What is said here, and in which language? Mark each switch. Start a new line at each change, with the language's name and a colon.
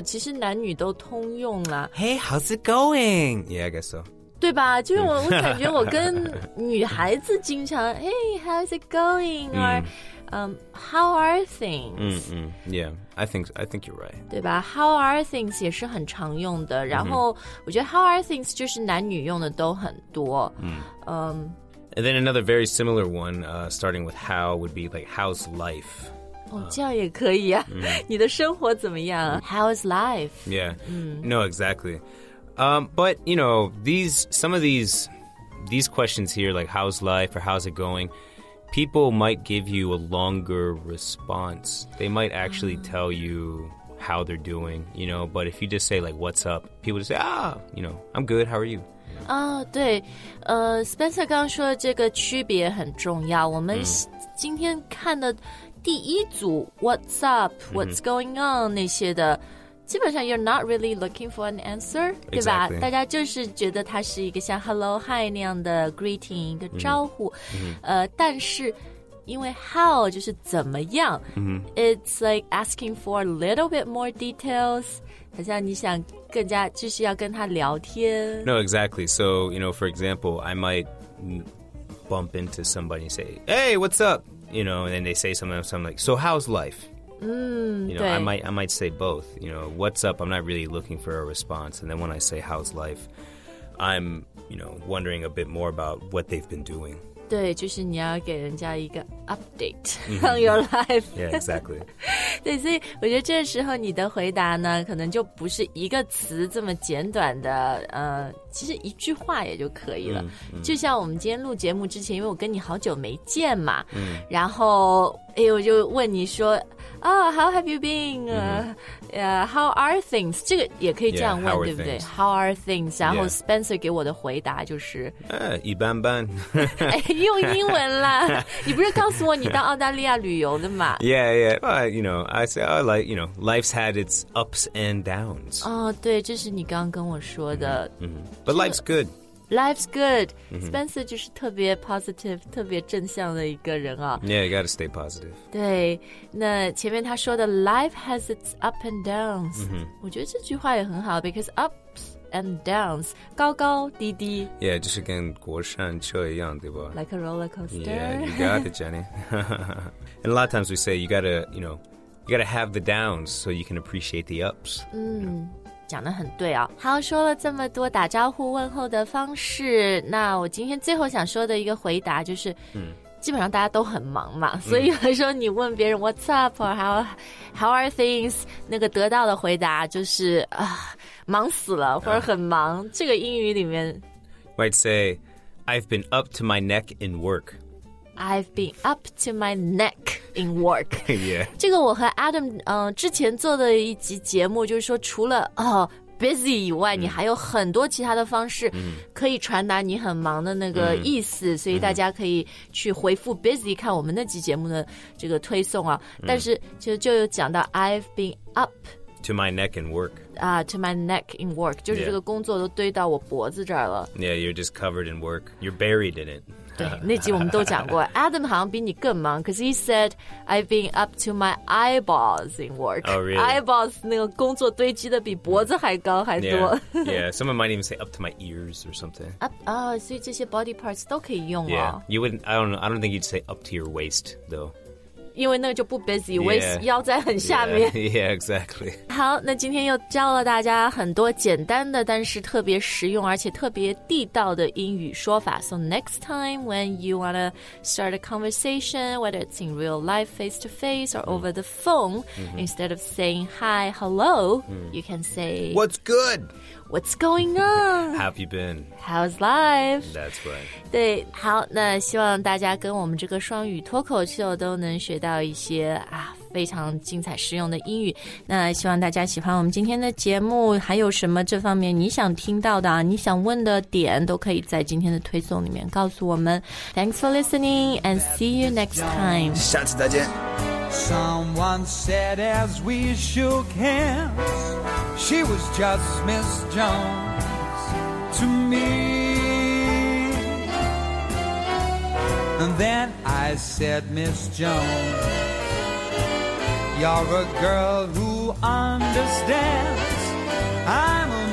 Chinese: 其实男女都通用了。
English: Hey, how's it going? Yeah, I guess so.
Chinese: 对吧就是 我感觉我跟女孩子经常
English: Hey, how's it going? Or、how are things? Yeah, I think you're right.
Chinese: 对吧
English: How are things
Chinese: 也是很常用的然后、我觉得 how are things 就是男女用的都很多、
English: And then another very similar one、starting with how would be like how's life?
Chinese: 哦、这样也可以啊、你的生活怎么样、
English: How's life? Yeah,、no, exactly. But, you know, some of these questions here, like how's life or how's it going, people might give you a longer response. They might actually tell you how they're doing, you know, but if you just say like, what's up, people just say, you know, I'm good, how are you?
Chinese: 对Spencer 刚刚说的这个区别很重要。我们今天看的第一组
English: what's up, what's going on
Chinese: 那些的基本上
English: you're not really looking for an answer,、 exactly.
Chinese: 对吧大家就是觉得它是一个像 hello, hi 那样的 greeting, 一个招呼、但是因为 how 就是怎么样、
English: It's like asking for a little bit more details,
Chinese: 好像你想更加就是要跟他聊天。
English: No, exactly. So, you know, for example, I might bump into somebody and say, hey, what's up? You know, and then they say something like, so how's life? You know, I might say both. You know, what's up? I'm not really looking for a response. And then when I say how's life, I'm, you know, wondering a bit more about what they've been doing.
Chinese: 对，就是你要给人家一个
English: update on your life. Yeah, exactly.
Chinese: 对，所以我觉得这时候你的回答呢，可能就不是一个词这么简短的，其实一句话也就可以了。就像我们今天录节目之前，因为我跟你好久没见嘛，然后哎，我就问你说。
English: Oh, how have you been? How are things?
Chinese: 这个也可以这样问
English: yeah,
Chinese: 对不对
English: How are things?
Chinese: 然后 Spencer 给我的回答就是、一般般用英文啦你不是告诉我你到澳大利亚旅游的吗
English: Yeah, yeah well, you know, I say, I like, you know, life's had its ups and downs
Chinese: 哦、对这是你刚跟我说的、
English: But life's good Life's good.
Chinese: Spencer 就是特别 positive, 特别正向的一个人啊。
English: Yeah, you gotta stay positive.
Chinese: 对，那前面他说的
English: life has its up and downs,、mm-hmm.
Chinese: 我觉得这句话也很好
English: because ups and downs,
Chinese: 高高低低。 Yeah, 就是跟过山车一样，对吧？
English: Like a roller coaster. Yeah, you got it, Jenny. And a lot of times we say you gotta, you know, you gotta have the downs so you can appreciate the ups. 嗯、mm.。
Chinese: 讲得很对啊、哦、好说了这么多打招呼问候的方式那我今天最后想说的一个回答就是、嗯、基本上大家都很忙嘛、嗯、所以来说你问别人
English: What's up or how are things
Chinese: 那个得到的回答就是、啊、忙死了或者很忙、啊、这个英语里面
English: Might say I've been up to my neck in work I've been up to my neckIn work, yeah.
Chinese: 这个我和 Adam、之前做的一集节目就是说除了、busy 以外、mm. 你还有很多其他的方式可以传达你很忙的那个意思、mm. 所以大家可以去回复 busy 看我们那集节目的这个推送啊、mm.
English: 但是就有讲到 I've been up to my neck in work、
Chinese: to my neck in work 就是这个工作都堆到我脖子这儿了
English: Yeah, you're just covered in work You're buried in it
Chinese: 对，那集我们都讲过 Adam 好像比你更忙
English: Because he said I've been up to my eyeballs in work Oh really?
Chinese: Eyeballs 那个工作堆积的比脖子还高还多
English: yeah. yeah, someone might even say up to my ears or something
Chinese: up,、oh, 所以这些 body parts 都可以用、哦、
English: Yeah, you wouldn't, I don't know, I don't think you'd say up to your waist though
Chinese: 因为那就不 busy, waist 腰在很下面。
English: Yeah, yeah, exactly.
Chinese: 好，那今天又教了大家很多简单的，但是特别实用，而且特别地道的英语说法。
English: So next time when you want to start a conversation, whether it's in real life, face to face, or over the phone,、mm-hmm. instead of saying hi, hello,、mm-hmm. you can say, What's good? What's going on? How have you been? How's life? That's right.
Chinese: 对，好，那希望大家跟我们这个双语脱口秀都能学到一些啊非常精彩实用的英语。那希望大家喜欢我们今天的节目。还有什么这方面你想听到的啊？你想问的点都可以在今天的推送里面告诉我们。
English: Thanks for listening and see you next time.
Chinese: 下次再见。
English: Someone said as we shook hands. She was just Miss Jones to me And then I said, Miss Jones You're a girl who understands I'm